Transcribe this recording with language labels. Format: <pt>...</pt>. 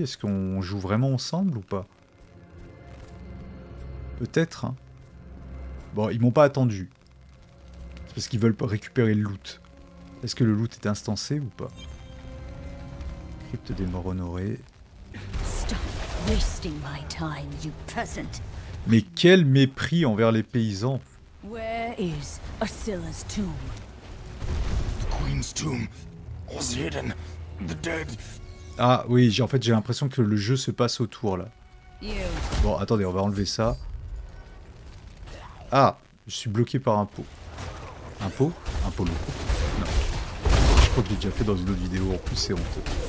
<fr>Est-ce qu'on joue vraiment ensemble ou pas? Peut-être. Hein. Bon, ils m'ont pas attendu. C'est parce qu'ils veulent récupérer le loot. Est-ce que le loot est instancé ou pas? Crypte des morts honorés.</fr> <en>Stop wasting my time, you peasant.</en> <fr>Mais quel mépris envers les paysans.</fr> <en>Where is Acilla's tomb? The queen's tomb was hidden. The dead.</en> <fr>Ah oui, j'ai l'impression que le jeu se passe autour là.</fr> <en>You.</en> <fr>Bon, attendez, on va enlever ça. Ah, je suis bloqué par un pot. Un pot? Un pot loup. Non. Je crois que j'ai déjà fait dans une autre vidéo, en plus c'est honteux.</fr>